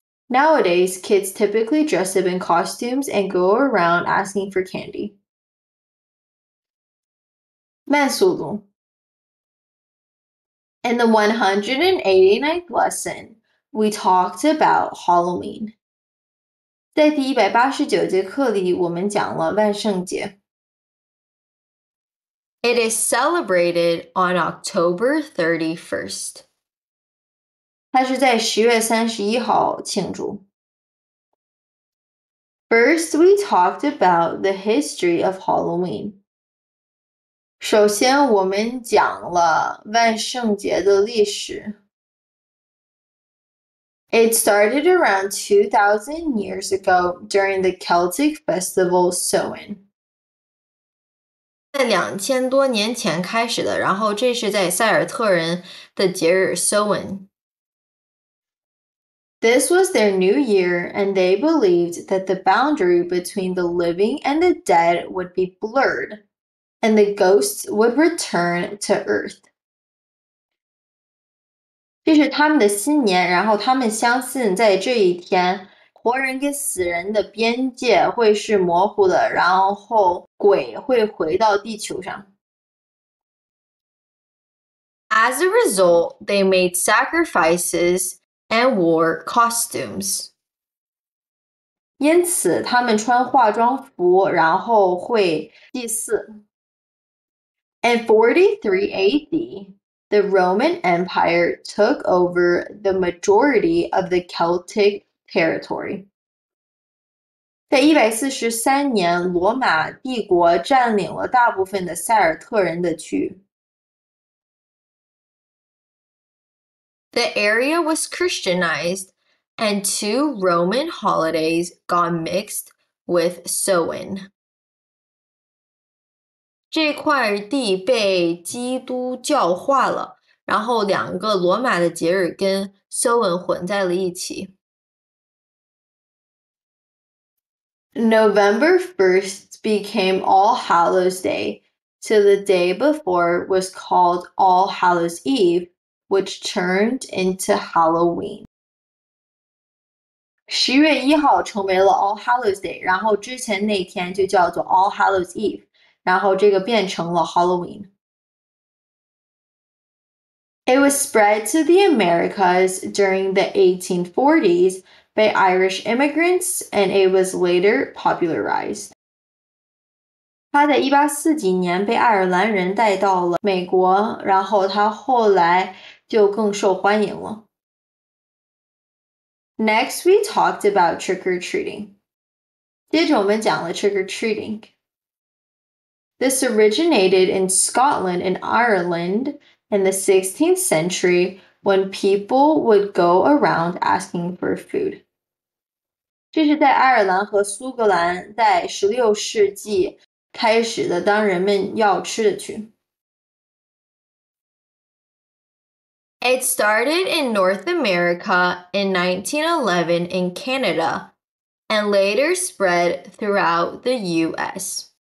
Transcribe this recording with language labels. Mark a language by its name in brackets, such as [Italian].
[English] Nowadays, kids typically dress up in costumes and go around asking for candy. [Chinese] 慢速度 [English] In the 189th lesson, we talked about Halloween. [Chinese] 在第189节课里，我们讲了万圣节。 [English] It is celebrated on October 31st. [Chinese] 它是在10月31号庆祝。 [English] First, we talked about the history of Halloween. [Chinese] 首先我们讲了万圣节的历史。 [English] It started around 2,000 years ago during the Celtic festival Samhain. [Chinese] 在2000多年前开始的,然后这是在塞尔特人的节日 Samhain。 [English] This was their new year, and they believed that the boundary between the living and the dead would be blurred, and the ghosts would return to Earth. [Chinese] 这是他们的新年，然后他们相信在这一天，活人跟死人的边界会是模糊的，然后鬼会回到地球上。 [English] As a result, they made sacrifices. And wore costumes. [Chinese] 因此他们穿化妆服然后会祭祀。 [English] In 43 AD, the Roman Empire took over the majority of the Celtic territory. [Chinese] 在143年罗马帝国占领了大部分的塞尔特人的区域。 [English] The area was Christianized, and two Roman holidays got mixed with Samhain. [Chinese] 这块地被基督教化了，然后两个罗马的节日跟 Samhain 混在了一起。 [English] November 1st became All Hallows' Day, so the day before was called All Hallows' Eve. Which turned into Halloween. [Chinese] 十月一号成为了 All Hallows Day, 然后之前那天就叫做 All Hallows Eve, 然后这个变成了 Halloween. [English] It was spread to the Americas during the 1840s by Irish immigrants, and it was later popularized. [Chinese] 他在1840几年被爱尔兰人带到了美国，然后他后来就更受欢迎了。 [English] Next, we talked about trick or treating. [Chinese] 接着我们讲了 [English] trick or treating. This originated in Scotland and Ireland in the 16th century when people would go around asking for food. [Chinese] 这是在爱尔兰和苏格兰在16世纪开始的，当人们要吃的去。 [English] It started in North America in 1911 in Canada and later spread throughout the US.